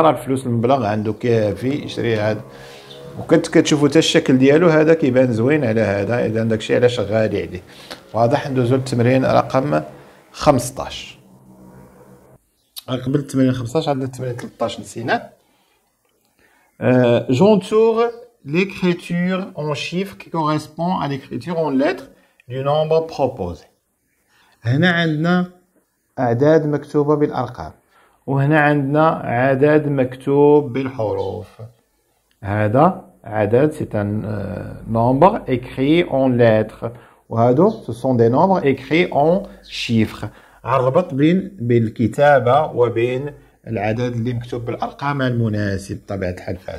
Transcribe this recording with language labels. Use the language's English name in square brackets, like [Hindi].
[Arabic] راه الفلوس المبلغ عنده كافي يشري هاد. وكنت كتشوفوا حتى الشكل ديالو هذا كيبان زوين على هذا. إذا داكشي علاش غالي عليه. واضح. ندوزو للتمرين رقم 15. قبل التمرين 15 عندنا التمرين 13 نسينا. [French] J'entoure l'écriture en chiffres qui correspond à l'écriture en lettres du nombre proposé. [Arabic] هنا عندنا أعداد مكتوبة بالأرقام، وهنا عندنا عدد مكتوب بالحروف. هذا عدد [French] c'est un nombre écrit en lettres، [Arabic] وهذا [French] ce sont des nombres écrits en chiffres. [Arabic] عربط بين الكتابة وبين العدد اللي مكتوب بالأرقام المناسب طبيعة الحال.